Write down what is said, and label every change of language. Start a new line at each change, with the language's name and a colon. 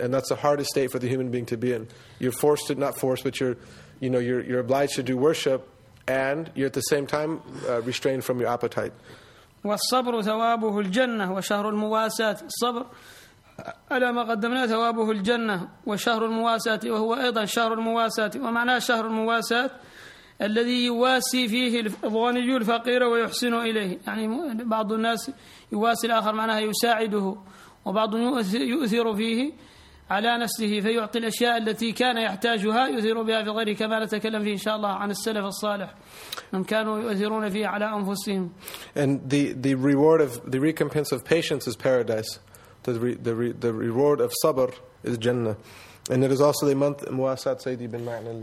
English: And that's the hardest state for the human being to be in. You're forced to, not forced, but you're obliged to do worship, and you're at the same time restrained from your appetite.
Arabic: وَالصَّبْرُ ثَوَابُهُ الْجَنَّةِ وَشَهْرُ الْمُوَاسَاتِ الصَّبْرُ أَلَا مَا قَدَّمْنَا ثَوَابُهُ الْجَنَّةِ وَشَهْرُ الْمُوَاسَاتِ وَهُوَ أَيْضًا شَهْرُ الْمُوَاسَاتِ وَمَعْنَى شَهْرُ الْمُوَاسَاتِ الَّذِي يُوَاسِي فِيهِ الْغَنِيُّ الْفَقِيرَ وَيُحْسِنُ إِلَيْهِ يعني بعض الناس يواسي الآخر معناها يساعده وبعض يؤثر فيه على نفسه فيعطي الأشياء التي كان يحتاجها يثير بها في غيره كما نتكلم فيه إن شاء الله عن السلف الصالح من كانوا يؤثرون فيه على أنفسهم.
English: And the reward of the recompense of patience is paradise. The reward of sabr is jannah. And it is also the month Muasat Sayyidi bin Ma'an al